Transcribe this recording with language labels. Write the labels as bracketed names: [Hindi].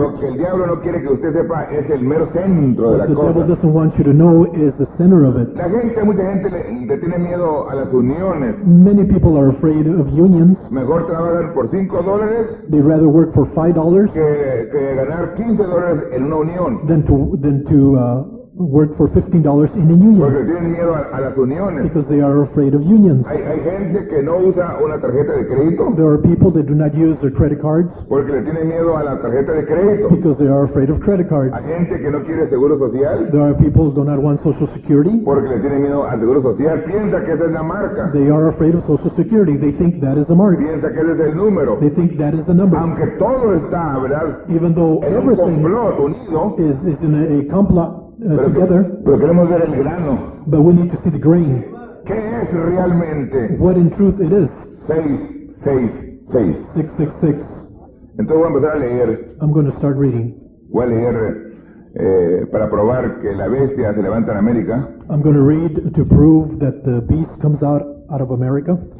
[Spanish] Lo que el diablo no quiere que usted sepa es el mero centro de la cosa. [English] The devil doesn't want you to know is the center of it. [Spanish] La gente, mucha gente le tiene miedo a las uniones. [English] Many people are afraid of unions. [Spanish] Mejor trabajar por $5. [English] They'd rather work for $5 [Spanish] que ganar $15 en una unión. [English] Than to work for $15 in a union. [Spanish] Porque tienen miedo a las uniones. [English] Because they are afraid of unions. [Spanish] Hay gente que no usa una tarjeta de crédito. [English] There are people that do not use their credit cards. [Spanish] Porque le tienen miedo a la tarjeta de crédito. [English] Because they are afraid of credit cards. [Spanish] Hay gente que no quiere seguro social. [English] There are people who do not want social security. [Spanish] Porque le tienen miedo al seguro social. Piensa que esa es la marca. [English] They are afraid of social security. They think that is a mark. [Spanish] Piensa que ese es el número. [English] They think that is the number. [Spanish] Aunque todo está, ¿verdad? [English] Even though [Spanish] en [English] everything [Spanish] unido, [English] is in a complot. [Spanish] Pero queremos ver el grano. [English] But we need to see the grain. [Spanish] ¿Qué es realmente? [English] What in truth it is. 666. 666. [Spanish] Entonces voy a empezar a leer. [English] I'm going to start reading. [Spanish] Voy a leer para probar que la bestia se levanta en América. [English] I'm going to read to prove that the beast comes out of America.